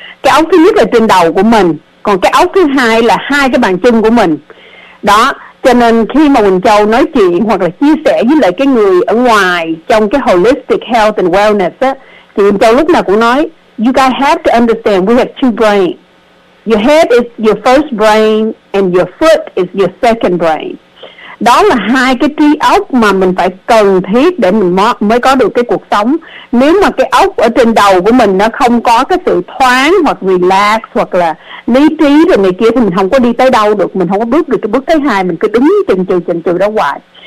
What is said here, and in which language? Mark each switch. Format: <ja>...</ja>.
<vi>Cái ốc thứ nhất là trên đầu của mình, còn cái ốc thứ hai là hai cái bàn chân của mình đó. Cho nên khi mà Quỳnh Châu nói chuyện hoặc là chia sẻ với lại cái người ở ngoài trong cái</vi> <en>holistic health and wellness</en> <vi>á, thì Quỳnh Châu lúc nào cũng nói</vi> <en>you guys have to understand we have two brains. Your head is your first brain and your foot is your second brain.</en> <vi>Đó là hai cái trí óc mà mình phải cần thiết để mình mới có được cái cuộc sống. Nếu mà cái óc ở trên đầu của mình nó không có cái sự thoáng hoặc relax hoặc là lý trí rồi này kia thì mình không có đi tới đâu được, mình không có bước được cái bước thứ hai, mình cứ đứng chần chừ đó hoài.</vi>